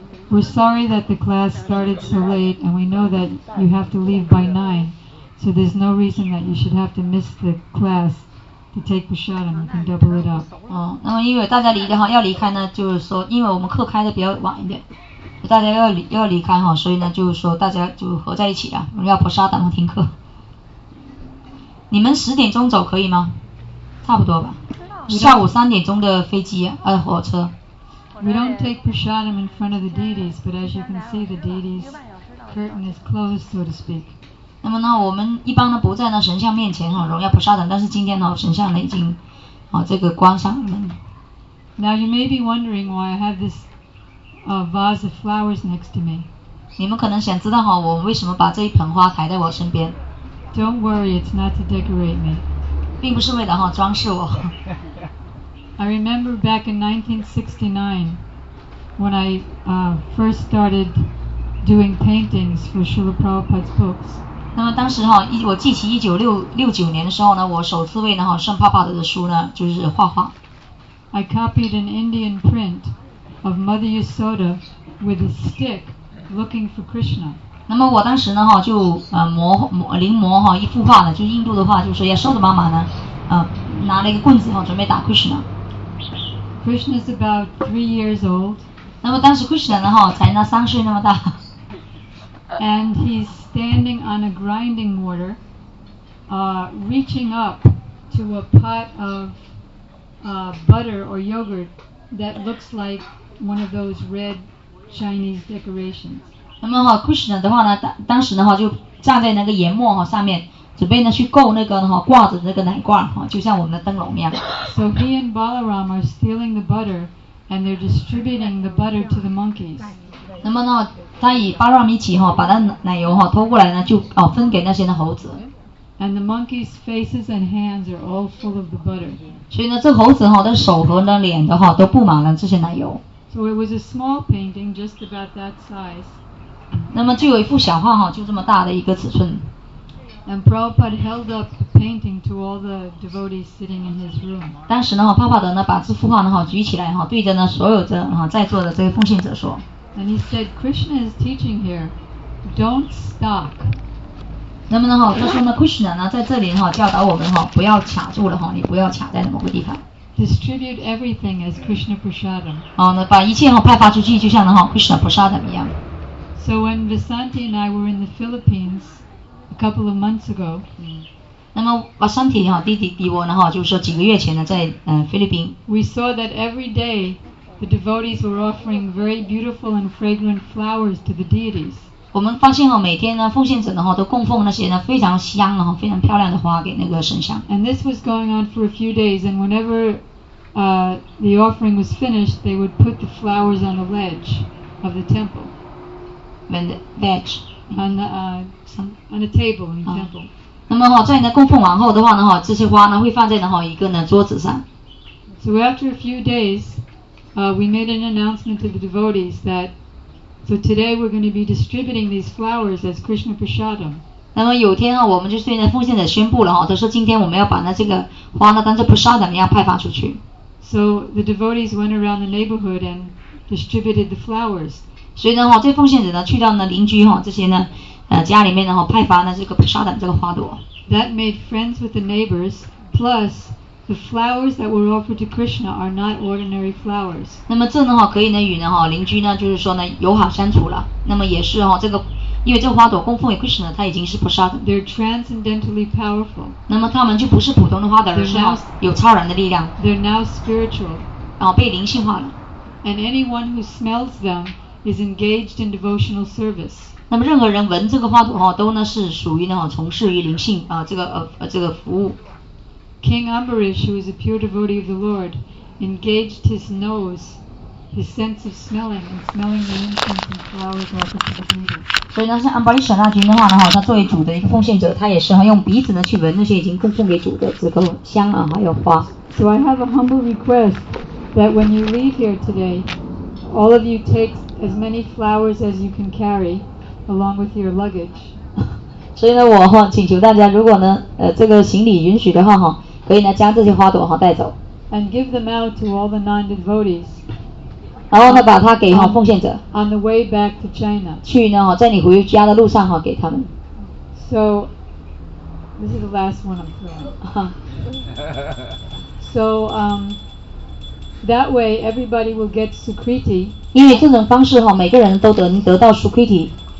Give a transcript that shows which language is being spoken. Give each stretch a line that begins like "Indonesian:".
English: We're sorry that the class started so late, and we know that you have to leave by 9, so there's no reason that you should have to miss the class to take prasadam. You can double it up.
Chinese: 那么因为大家离的话要离开呢，就是说因为我们课开的比较晚一点，大家要离开哈，所以呢就是说大家就合在一起啊，我们要prasadam和听课。你们十点钟走可以吗？差不多吧，下午三点钟的飞机火车。
English: We don't take prasadam in front of the deities, but as you can see, the deities' curtain is closed, so to speak.
Chinese: 那么呢，我们一般呢不在那神像面前哈荣耀prasadam，但是今天呢神像呢已经这个关上门。
English: Now you may be wondering why I have this vase of flowers next to me.
Chinese: 你们可能想知道哈我为什么把这一盆花抬在我身边。
English: Don't worry, it's not to decorate me.
Chinese: 并不是为了哈装饰我。
English: I remember back in 1969 when I first started doing paintings for Srila Prabhupada's books.
Chinese: 那么当时哈，我记起1969年的时候呢，我首次为呢哈圣帕帕的书呢，就是画画。
English: I copied an Indian print of Mother Yasoda with a stick looking for Krishna.
Chinese: 那么我当时呢哈，就临摹哈一幅画呢，就印度的画，就是Yasoda妈妈呢，拿了一个棍子哈，准备打 Krishna。
English: Krishna is about 3 years old.
Chinese: 那么当时 Krishna 呢哈，才那三岁那么大。
English: And he's standing on a grinding mortar, reaching up to a pot of butter or yogurt that looks like one of those red Chinese decorations.
Chinese: 那么哈 ，Krishna 的话呢，当时的话就站在那个研磨哈上面。准备呢去够那个哈挂着那个奶罐哈，就像我们的灯笼一样。
English: So he and Balaram are stealing the butter, and they're distributing the butter to the monkeys.
Chinese: 那么呢，他与巴拉姆一起哈，把那奶油哈偷过来呢，就分给那些的猴子。
English: And the monkeys' faces and hands are all full of the butter.
Chinese: 所以呢，这猴子哈的手和那脸的话都布满了这些奶油。
English: So it was a small painting, just about that size.
Chinese: 那么就有一幅小画哈，就这么大的一个尺寸。
English: And Prabhupada held up the painting to all the devotees sitting in his room.
Chinese: 当时呢，帕帕德呢把这幅画呢哈举起来哈，对着呢所有的哈在座的这个奉献者说。
English: And he said, Krishna is teaching here. Don't stop.
Chinese: 那么呢哈，他说呢 ，Krishna 呢在这里哈教导我们哈，不要卡住了哈，你不要卡在某个地方。
English: Distribute everything as Krishna prasadam.
Chinese: 那把一切哈派发出去，就像呢哈 Krishna prasadam 一样。
English: So when Vasanti and I were in the Philippines. Couple of months ago,
Chinese: 那么Vasanti哈弟弟弟我呢哈，就是说几个月前呢，在菲律宾。
English: We saw that every day the devotees were offering very beautiful and fragrant flowers to the deities.
Chinese: 我们发现哈，每天呢，奉献者呢哈都供奉那些呢非常香哈、非常漂亮的花给那个神像。
English: And this was going on for a few days, and whenever the offering was finished, they would put the flowers on the ledge of the temple. When the ledge. On a table in temple.
Chinese: 那么哈，在呢供奉完后的话呢哈，这些花呢会放在呢哈一个呢桌子上。
English: So after a few days, we made an announcement to the devotees that, so today we're going to be distributing these flowers as Krishna prasadam.
Chinese: 那么有天呢，我们就对那奉献者宣布了哈，他说今天我们要把那这个花呢，当做菩萨怎么样派发出去。
English: So the devotees went around the neighborhood and distributed the flowers.
Chinese: 所以呢，哈，这奉献者呢，去到呢邻居哈这些呢，家里面呢，哈，派发呢这个菩萨的这个花朵。
English: That made friends with the neighbors. Plus, the flowers that were offered to Krishna are not ordinary flowers.
Chinese: 那么这呢，哈，可以呢与呢，哈，邻居呢，就是说呢，友好相处了。那么也是哈，这个。因为这花朵供奉给 Krishna， 它已经是菩萨的。
English: They're transcendentally powerful。
Chinese: 那么它们就不是普通的花朵，而是有超然的力量。
English: They're now spiritual。
Chinese: 然后被灵性化了。
English: And anyone who smells them is engaged in devotional service。
Chinese: 那么任何人闻这个花朵哈，都呢是属于呢从事于灵性啊、这个服务。
English: King Ambarish, who is a pure devotee of the Lord, engaged his nose. His sense of smelling and smelling the incense and flowers offered to the Buddha.
Chinese: 所以呢，像安巴里舍那君的话呢，哈，他作为主的一个奉献者，他也是用鼻子呢去闻那些已经供奉给主的这个香啊，还有花。
English: So I have a humble request that when you leave here today, all of you take as many flowers as you can carry along with your luggage.
Chinese: 所以呢，我哈请求大家，如果呢，这个行李允许的话，哈，可以呢将这些花朵哈带走。
English: And give them out to all the non-devotees.
Chinese: 然后呢，把它给哈奉献者。
English: On the way back to China.
Chinese: 去呢哈，在你回家的路上哈，给他们。
English: So, this is the last one I'm throwing. So, that way everybody will get Sukriti.
Chinese: 因为这种方式哈，每个人都得到 Sukriti.